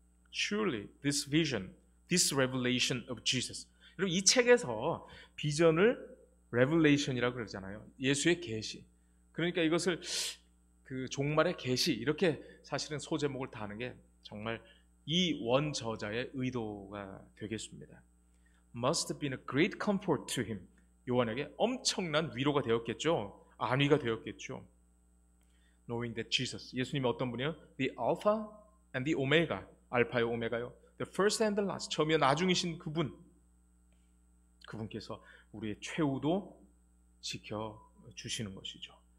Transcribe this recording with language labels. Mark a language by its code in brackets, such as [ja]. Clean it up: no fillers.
[en] Surely this vision, this revelation of Jesus. [ko] 그리고 이 책에서 비전을 revelation이라고 그러잖아요. 예수의 계시. 그러니까 이것을 그 종말의 계시 이렇게 사실은 소제목을 다하는 게 정말 이 원 저자의 의도가 되겠습니다. [en] Must have been a great comfort to him. [ko] 요한에게 엄청난 위로가 되었겠죠. 안위가 되었겠죠. [en] Knowing that Jesus, [ko] 예수님이 어떤 분이요? [en] The Alpha and the Omega, [ko] 알파요 오메가요. [en] The first and the last, [ko] 처음이요 나중이신 그분. 그분께서 우리의 최후도 지켜주시는 것이죠.